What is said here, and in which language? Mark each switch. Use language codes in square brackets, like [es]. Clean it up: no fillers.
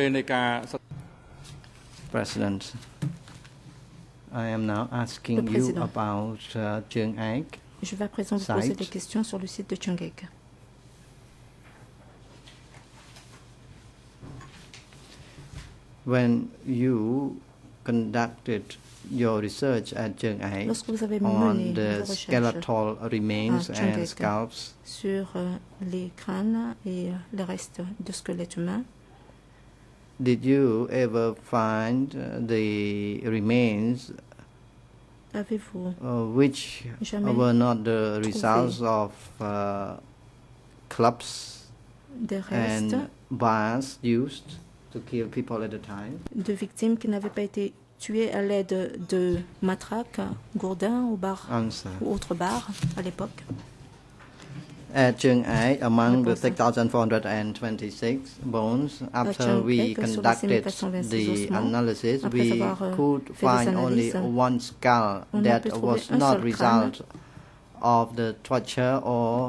[en] President, I am now asking you about Chung Ai. [fr] Je vais à présent vous poser des questions sur le site de Chung Ai. [en] When you conducted your research at Chung Ai on the skeletal remains and scalps [fr] sur les crânes et les restes de squelettes humains, [en] did you ever find the remains which were not the results of clubs and bars used to kill people at the time, [fr] de victimes qui n'avaient pas été tué à l'aide de matraques, gourdins ou barres ou autres barres à l'époque? [en] At Chung Ai, among the 6,426 bones, after we conducted the analysis, we could find only one skull that was not a result of the torture or